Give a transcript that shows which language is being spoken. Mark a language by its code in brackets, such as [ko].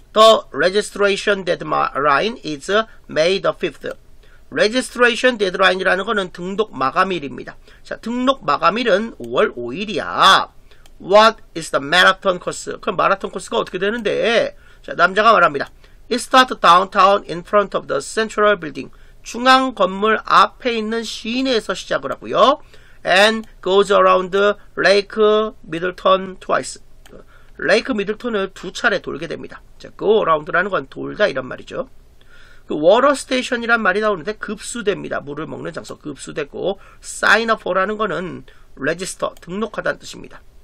[en] The registration deadline is May the 5th. [ko] Registration deadline이라는 거는 등록 마감일입니다. 자, 등록 마감일은 5월 5일이야. [en] What is the marathon course? [ko] 그럼 마라톤 코스가 어떻게 되는데? 자, 남자가 말합니다. [en] It starts downtown in front of the central building. [ko] 중앙 건물 앞에 있는 시내에서 시작을 하고요. [en] And goes around Lake Middleton twice. [ko] Lake Middleton을 두 차례 돌게 됩니다. 자, go around라는 건 돌다 이런 말이죠. 그 워터 스테이션이란 말이 나오는데 급수됩니다. 물을 먹는 장소 급수되고 sign up for라는 거는 register 등록하다는 뜻입니다.